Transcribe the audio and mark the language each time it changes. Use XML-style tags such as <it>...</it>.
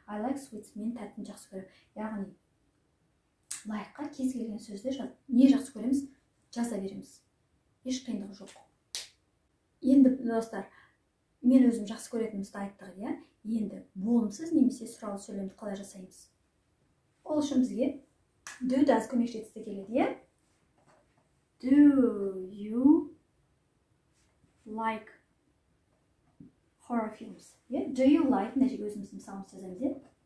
<en>I like sweets,</en> <kk>мен тәттіні жақсы көремін. Яғни, like-қа кез келген сөзді не жақсы көреміз, жаза береміз. Еш қиындығы жоқ. Енді, достар, мен өзім жақсы көретінімізді айттық, иә? Енді болымсыз немесе сұраулы сөйлемді қалай жасаймыз? Ол үшін бізге do көмекшісі келеді, иә?</kk> <en>Do you like horror films? Yeah? Do you like,</en> <kk>мына жерге өзіміздің мысалымызды жазамыз, иә?</kk>